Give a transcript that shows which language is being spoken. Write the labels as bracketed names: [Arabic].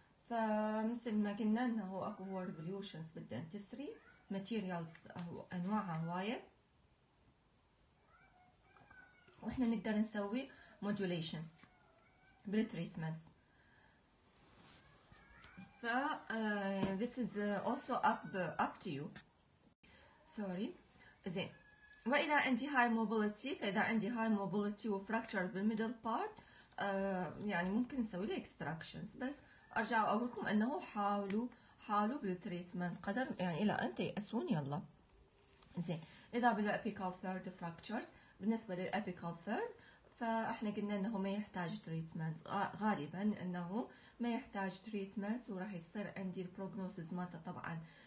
[Arabic] فمثل ما قلنا انه اكو ريفوليوشنز بالدنتستري، ماتيريالز انواعها هوايه، واحنا نقدر نسوي موديوليشن بالتريسمنتس. [English] ف this is also up to you sorry. [Arabic] زين، واذا عندي هاي موبيليتي، فاذا عندي هاي موبيليتي وفراكتشر بالميدل بارت يعني ممكن نسوي له اكستراكشنز، بس ارجع اقول لكم انه حاولوا بالتريتمنت قدر يعني الى ان تيأسون. يلا زين، اذا بالابيكال ثيرد فراكتشرز، بالنسبه للابيكال ثيرد فاحنا قلنا انه ما يحتاج تريتمنت، غالبا انه ما يحتاج تريتمنت، وراح يصير عندي البروجنوسيس مالته طبعا